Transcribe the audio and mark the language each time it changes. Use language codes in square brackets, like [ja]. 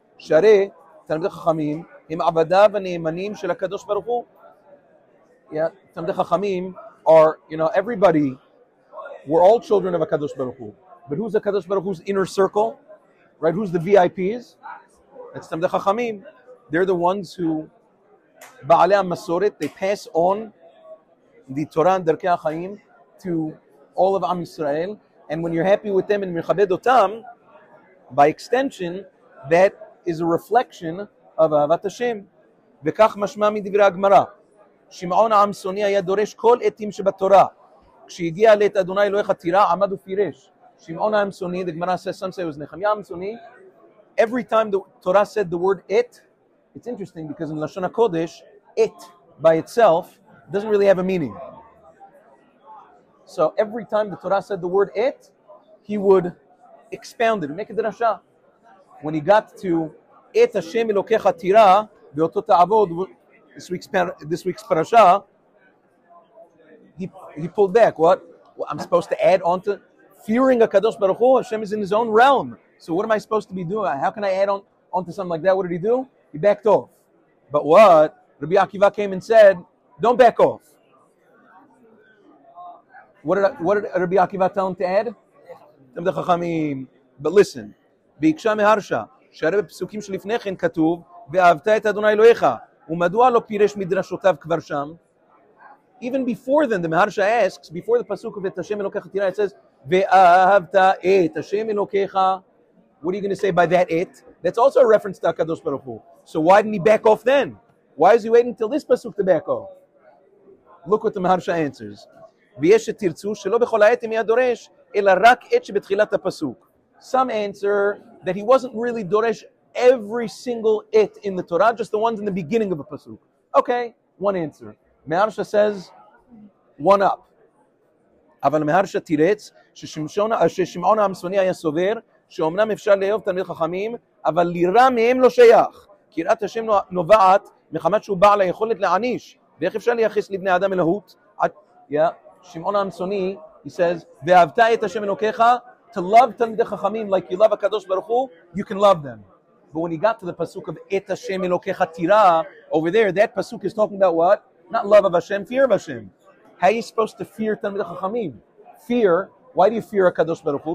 [he] Sh'arei talmidei chachamim הם עבדיו הנאמנים של הקדוש ברוך הוא. [en] Yeah, תלמידי חכמים are, you know, everybody, we're all children of הקדוש ברוך הוא. But who's הקדוש ברוך הוא's inner circle? Right, who's the VIPs? That's תלמידי חכמים. They're the ones who, [he] בעלי המסורת, [en] they pass on the Torah and [he] דרכי החיים [en] to all of Am Yisrael. And when you're happy with them and [he] מכבד אותם, [en] by extension, that is a reflection of Ahavat Hashem. [he] וכך משמע מדברי הגמרא. שמעון העם סוני היה דורש כל עתים שבתורה. כשהגיע לעת אדוני אלוהיך תירה, עמד ופירש. [en] שמעון העם סוני, the Gemara says, some say it was Nechemiah העם סוני. Every time the Torah said the word it, it's interesting because in Lashon HaKodesh, it by itself doesn't really have a meaning. So every time the Torah said the word it, he would expound it, make a drasha. When he got to [he] את השם אלוקיך תירא ואותו תעבוד, [en] this week's parasha, he pulled back. What? I'm supposed to add on to fearing HaKadosh Baruch Hu? Hashem is in his own realm. So what am I supposed to be doing? How can I add on to something like that? What did he do? He backed off. But what? Rabbi Akiva came and said, don't back off. What did Rabbi Akiva tell him to add? [he] Tam de Chachamim. [en] But listen, [he] ביקשה מהרשה, שהרי בפסוקים שלפני כן כתוב, ואהבת את אדוני אלוהיך, ומדוע לא פירש מדרשותיו כבר שם? [en] Even before then, the Maharsha asks, before the pasuk of [he] את השם אלוקיך תראה, [en] it says, [he] ואהבת את השם אלוקיך, [en] what are you going to say by that it? That's also a reference to הקדוש ברוך הוא. So why didn't he back off then? Why is he waiting till this pasuk to back off? Look what the Maharsha answers. [he] ויש שתרצו שלא בכל העת מי הדורש, אלא רק עת שבתחילת הפסוק. [en] Some answer that he wasn't really Doresh every single it in the Torah, just the ones in the beginning of a Pasuk. Okay, one answer. Meharsha says, one up. [he] אבל מהרשה תירץ ששמעון העם סוני היה סובר שאומנם אפשר לאהוב תלמיד חכמים, אבל לירה מהם לא שייך. קירת השם נובעת מחמת שהוא בעל היכולת להעניש. ואיך אפשר לייחס לבני אדם אלוהות? [en] שמעון העם סוני, he says, [he] ואהבת את השם אלוקיך, [en] to love Talmidei Chachamim like you love HaKadosh Baruch Hu, you can love them. But when he got to the pasuk of [he] Et Hashem Elokecha Tira, [en] over there, that pasuk is talking about what? Not love of Hashem, fear of Hashem. How are you supposed to fear Talmid HaChamim? Fear, why do you fear HaKadosh Baruch Hu?